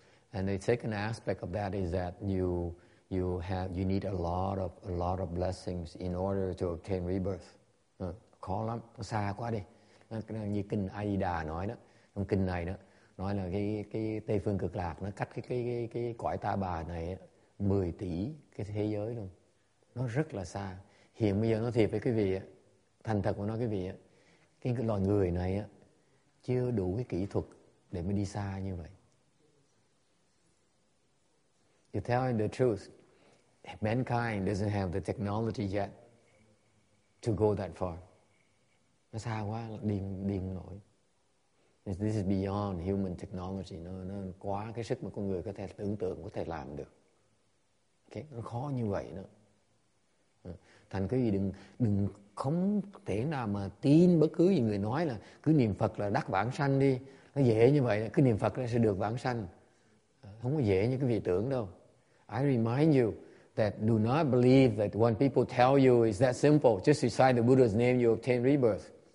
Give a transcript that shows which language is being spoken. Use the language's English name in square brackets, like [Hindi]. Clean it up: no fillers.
[English] And the second aspect of that is that you need a lot of blessings in order to obtain rebirth. [Vietnamese] Khó lắm, nó xa quá đi. Như kinh A Di Đà nói đó, trong kinh này đó, nói là cái Tây Phương Cực Lạc nó cách cái cõi Ta Bà này 10 tỷ cái thế giới luôn. Nó rất là xa. Hiện bây giờ nó thiệt với quý vị, thành thật mà nói quý vị á, cái loài người này á chưa đủ cái kỹ thuật để mới đi xa như vậy. [English] To tell you the truth, mankind doesn't have the technology yet to go that far. [Vietnamese] Nó xa quá, đi không nổi. [English] This is beyond human technology. [Vietnamese] Nó quá cái sức mà con người có thể tưởng tượng, có thể làm được. Okay? Nó khó như vậy đó. Thành cái gì đừng không thể nào mà tin bất cứ gì người nói là cứ niệm Phật là đắc vãng sanh đi, nó dễ như vậy, cứ niệm Phật là sẽ được vãng sanh. không có dễ như quý vị tưởng đâu. [English] I remind you that do not believe that when people tell you it's that simple, just recite the Buddha's name, you obtain rebirth.